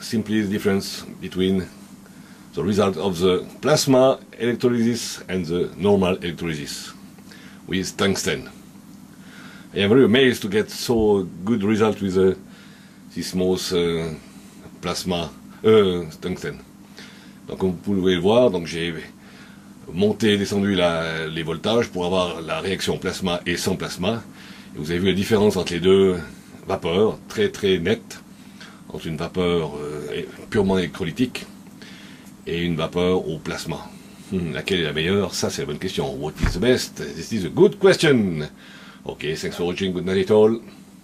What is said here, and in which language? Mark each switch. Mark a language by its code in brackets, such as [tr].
[en] Simply the difference between the result of the plasma electrolysis and the normal electrolysis with tungsten. I am very amazed to get so good result with this most plasma tungsten. [fr] Donc comme vous pouvez le voir, donc j'ai monté et descendu les voltages pour avoir la réaction plasma et sans plasma. Et vous avez vu la différence entre les deux vapeurs, très très nette, entre une vapeur purement électrolytique et une vapeur au plasma. Laquelle est la meilleure? Ça c'est la bonne question. [en] What is the best? This is a good question. Okay, thanks for watching. Good night, all.